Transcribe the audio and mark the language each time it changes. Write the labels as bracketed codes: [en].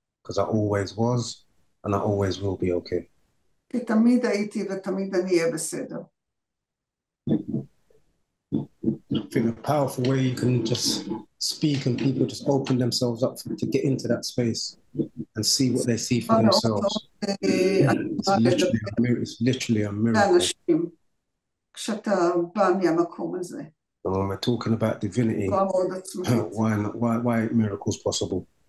[en] Because I always was, and I always will be okay. [he] כי תמיד הייתי ותמיד אני אהיה בסדר. [en] I think a powerful way you can just speak and people just open themselves up to get into that space and see what they see for themselves. It's literally a miracle. And when we're talking about divinity, why are miracles possible?